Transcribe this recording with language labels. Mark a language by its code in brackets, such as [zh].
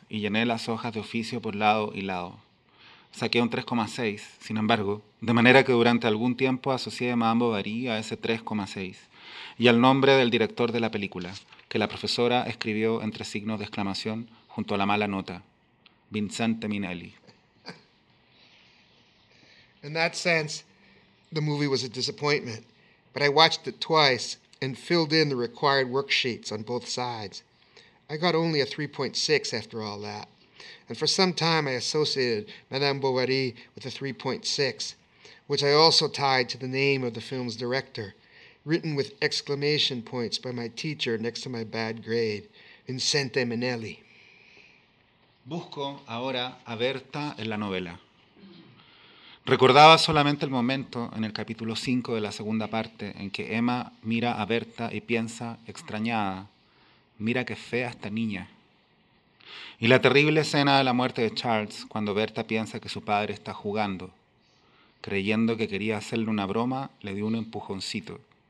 [es] Y llené las hojas de oficio por lado y lado. Saqué un 3,6, sin embargo, de manera que durante algún tiempo asocié a Madame Bovary a ese 3,6, y al nombre del director de la película, que la profesora escribió entre signos de exclamación junto a la mala nota, Vincente Minnelli. [en] In that sense, the movie was a disappointment, but I watched it twice and filled in the required worksheets on both sides. I got only a 3.6 after all that, and for some time I associated Madame Bovary with a 3.6, which I also tied to the name of the film's director, written with exclamation points by my teacher next to my bad grade, Vincente Minnelli. [es] Busco ahora a Berta en la novela. Recordaba solamente el momento en el capítulo 5 de la segunda parte en que Emma mira a Berta y piensa, extrañada, mira qué fea esta niña. Y la terrible escena de la muerte de Charles cuando Berta piensa que su padre está jugando, creyendo que quería hacerle una broma, le dio un empujoncito.